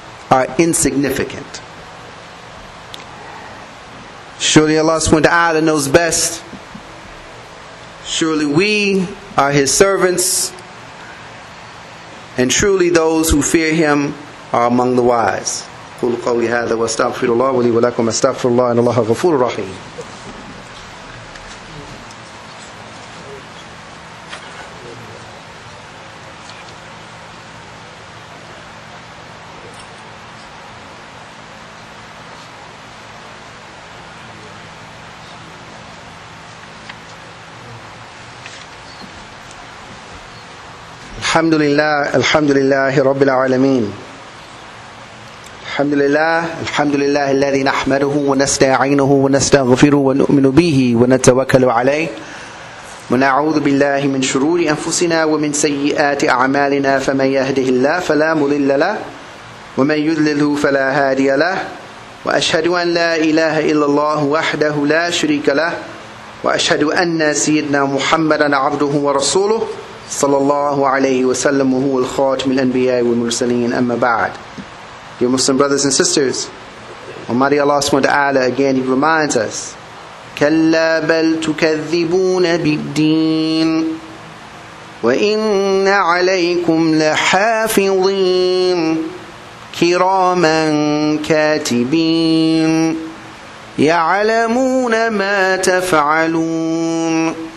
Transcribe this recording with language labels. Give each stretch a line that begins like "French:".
English: are insignificant. Surely Allah subhanahu wa ta'ala knows best. Surely we are His servants. And truly those who fear Him are among the wise.
Arabic: قول قولي هذا واستغفر الله ولي ولكم استغفر الله إن الله غفور رحيم. الحمد لله الحمد لله رب العالمين. الحمد لله الحمد لله الذي نحمده ونستعينه ونستغفره ونؤمن به ونتوكل عليه ونعوذ بالله من شرور أنفسنا ومن سيئات أعمالنا فمن يهده الله فلا مضل له ومن يضلل فلا هادي له وأشهد أن لا إله إلا الله وحده لا شريك له وأشهد أن سيدنا محمدا عبده ورسوله صلى الله عليه وسلم وهو الخاتم الأنبياء والمرسلين أما بعد.
English: Dear Muslim brothers and sisters, Almighty Allah subhanahu wa ta'ala again He reminds us,
Arabic: كَلَّا بَلْ تُكَذِّبُونَ بِالدِّينِ وَإِنَّ عَلَيْكُمْ لَحَافِظِينَ كِرَامًا كَاتِبِينَ يَعْلَمُونَ مَا تَفْعَلُونَ.